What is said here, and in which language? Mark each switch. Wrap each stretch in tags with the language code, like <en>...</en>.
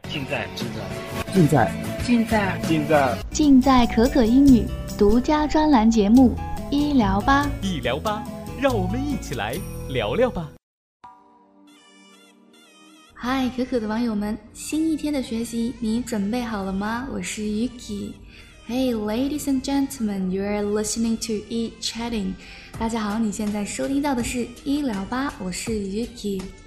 <zh>可可英语独家专栏节目医疗吧。医疗吧，让我们一起来聊聊吧。嗨，可可的网友们，新一天的学习你准备好了吗？我是 Yuki。</zh> <en>Hey, ladies and gentlemen, you are listening to eChatting.</en> <zh>大家好，你现在收听到的是医疗吧，我是 Yuki.</zh>